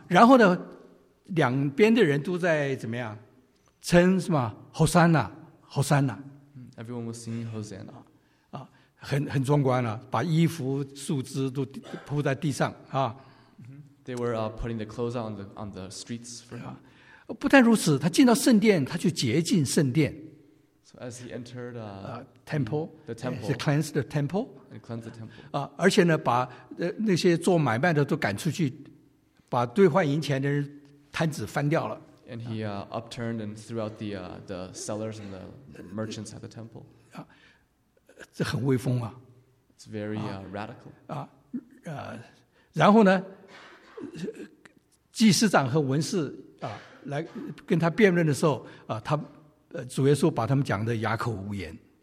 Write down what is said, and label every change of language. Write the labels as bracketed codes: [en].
[zh] 然后呢，两边的人都在怎么样？称什么 ？Hosanna, Hosanna. [en] Everyone was singing Hosanna. [zh] 很壮观了、把衣服树枝都铺在地上啊。 [en] They were putting the clothes on the streets for him. [zh] 不但如此，他进到圣殿，他去洁净圣殿。 [en] So as he entered the temple, he cleansed the temple. And cleansed the temple. [zh] 而且呢，把那些做买卖的都赶出去，把兑换银钱的人摊子翻掉了。 [en] And he upturned and threw out the sellers and the merchants at the temple. [zh] 这很威风啊。 [en] It's very radical. [zh] 然后呢？祭司长和文士来跟他辩论的时候他主耶稣把他们讲的哑口无言。